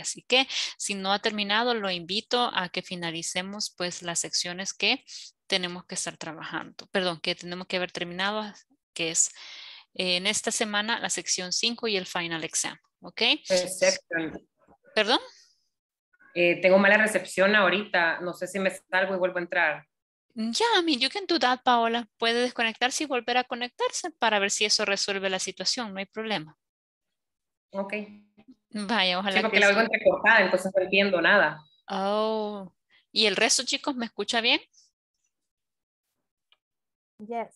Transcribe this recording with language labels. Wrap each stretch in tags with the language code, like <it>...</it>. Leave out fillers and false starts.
<es>Así que si no ha terminado, lo invito a que finalicemos pues las secciones que tenemos que estar trabajando. Perdón, que tenemos que haber terminado, que es en esta semana la sección 5 y el final exam, ¿ok? Perfecto. ¿Perdón? Tengo mala recepción ahorita, no sé si me salgo y vuelvo a entrar.</es> <en>Ya, yeah, I mean, you can do that, Paola.</en> <es>Puede desconectarse y volver a conectarse para ver si eso resuelve la situación, no hay problema. Ok. Vaya, ojalá. Sí, que la oigo entrecortada, entonces no entiendo nada. Oh, ¿y el resto, chicos, me escucha bien?</es> <en>Yes.</en>